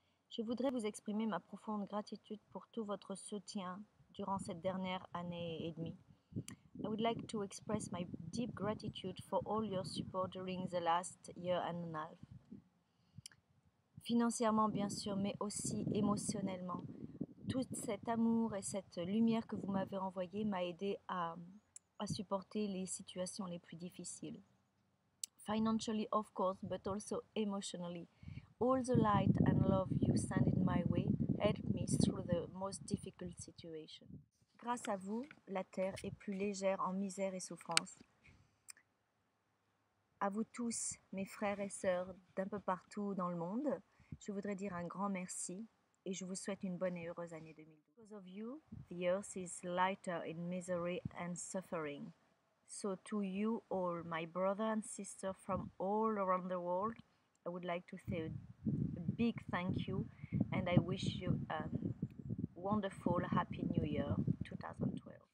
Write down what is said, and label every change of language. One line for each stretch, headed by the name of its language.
French: Je voudrais vous exprimer ma profonde gratitude pour tout votre soutien durant cette dernière année et demie.
English: I would like to express my deep gratitude for all your support during the last year and a half.
French: Financièrement, bien sûr, mais aussi émotionnellement. Tout cet amour et cette lumière que vous m'avez envoyée m'a aidé à supporter les situations les plus difficiles.
English: Financially, of course, but also emotionally. All the light and love you send in my way helped me through the most difficult situation.
French: Grâce à vous, la terre est plus légère en misère et souffrance. À vous tous, mes frères et sœurs d'un peu partout dans le monde, je voudrais dire un grand merci et je vous souhaite une bonne et heureuse année 2012.
English: Because of you, the earth is lighter in misery and suffering. So to you all, my brother and sister from all around the world, I would like to say a big thank you and I wish you a wonderful, happy new year 2020.